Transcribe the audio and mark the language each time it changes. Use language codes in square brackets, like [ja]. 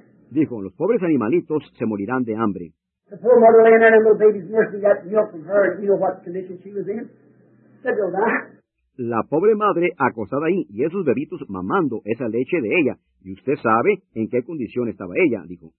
[es] Dijo, los pobres animalitos se morirán de hambre. [en] The poor mother laying there and little babies nursing that milk from her, and you know what condition she was in. Said, they'll die. [es] La pobre madre acostada ahí y esos bebitos mamando esa leche de ella. Y usted sabe en qué condición estaba ella, dijo.